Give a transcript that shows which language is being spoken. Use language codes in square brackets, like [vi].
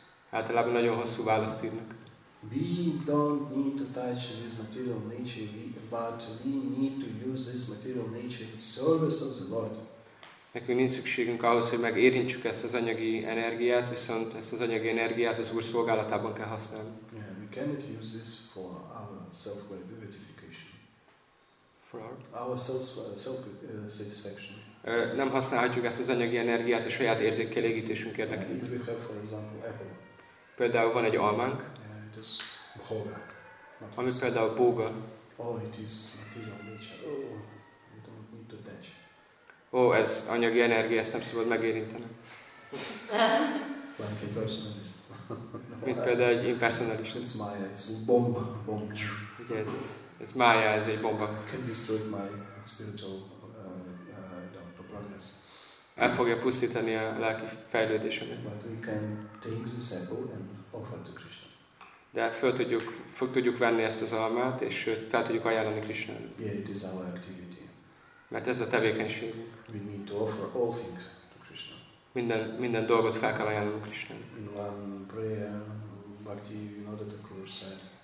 [hu] Általában nagyon hosszú választ írnak. [en] We don't need to touch this material nature, but we need to use this material nature in service of the Lord. [hu] Nekünk nincs szükségünk ahhoz, hogy megérintsük ezt az anyagi energiát, viszont ezt az anyagi energiát az Úr szolgálatában kell használni. [en] Yeah, we cannot use this for our self-gratification. For our? Our self-satisfaction. [hu] Nem használhatjuk ezt az anyagi energiát a saját érzékkielégítésünk érdekében. [en] Yeah, we have, for example, apple. [hu] Például van egy almánk, [sa] bhoga, [hu] ami például bóga. [en] Oh, it is material nature. Oh, you don't need to touch. [hu] Oh, ez anyagi energia, ezt nem szabad megérinteni. [en] Like a personalist. [hu] Mint például egy impersonalist. [en] It's maya, it's bomba. Bomba. Yes, it's maya, [hu] ez egy bomba. [en] Can destroy my spiritual progress. [hu] El fogja pusztítani a lelki fejlődésemet. [en] But we can take this apple and offer to Krishna. [hu] De fel tudjuk venni ezt az almát, és fel tudjuk ajánlani Krisnának. [en] Yeah, it is our activity. [hu] Mert ez a tevékenységünk. [en] We need to offer all things to Krishna. [hu] Minden dolgot fel kell ajánlani Krisnának. [en] In one prayer, Bhaktivinoda Thakur said.